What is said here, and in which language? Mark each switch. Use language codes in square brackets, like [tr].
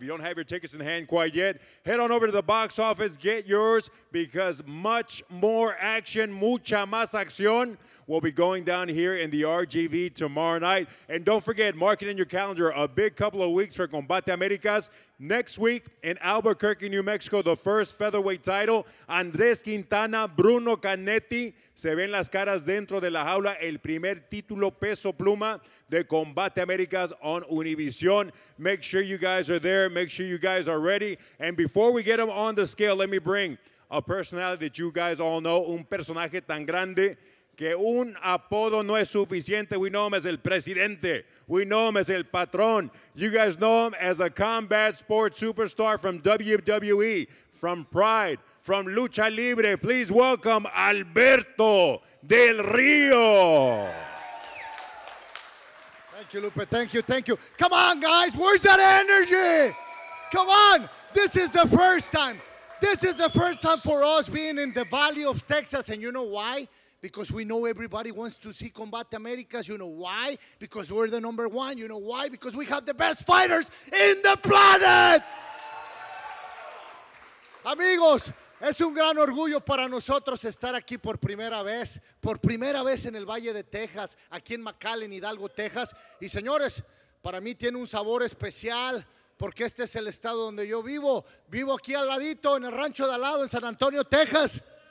[en] If you don't have your tickets in hand quite yet, head on over to the box office, get yours, because much more action, mucha más acción, will be going down here in the RGV tomorrow night. And don't forget, mark it in your calendar, a big couple of weeks for Combate Americas. Next week in Albuquerque, New Mexico, the first featherweight title. [es] Andrés Quintana, Bruno Canetti, se ven las caras dentro de la jaula, el primer título peso pluma de Combate Americas on Univision. [en] Make sure you guys are there, make sure you guys are ready. And before we get him on the scale, let me bring a personality that you guys all know, un personaje tan grande, que un apodo no es suficiente. We know him as el presidente. We know him as el patrón. You guys know him as a combat sports superstar from WWE, from Pride, from Lucha Libre. Please welcome Alberto Del Rio. Thank you, Lupe. Thank you. Thank you. Come on, guys. Where's that energy? Come on. This is the first time. This is the first time for us being in the Valley of Texas. And you know why? Because we know everybody wants to see Combate Americas. You know why? Because we're the number one. You know why? Because we have the best fighters in the planet. [es] Amigos, es un gran orgullo para nosotros estar aquí por primera vez en el Valle de Texas, aquí en McAllen, Hidalgo, Texas. Y señores, para mí tiene un sabor especial, porque este es el estado donde yo vivo. Vivo aquí al ladito, en el rancho de al lado, en San Antonio, Texas.